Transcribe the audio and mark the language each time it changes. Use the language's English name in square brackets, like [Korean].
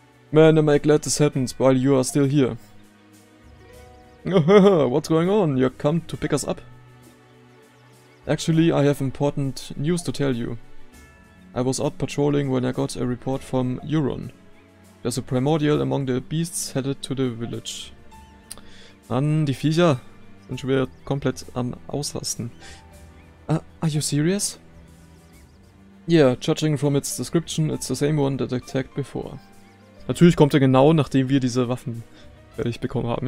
[English] Man, am I glad this happens while you are still here. What's going on? You come to pick us up? Actually, I have important news to tell you. I was out patrolling when I got a report from Euron. There's a primordial among the beasts headed to the village. [German] Mann, die Viecher sind schon wieder komplett am Ausrasten. [English] Are you serious? Yeah, judging from its description, it's the same one that attacked before. [German] Natürlich kommt er genau, nachdem wir diese Waffen fertig bekommen haben.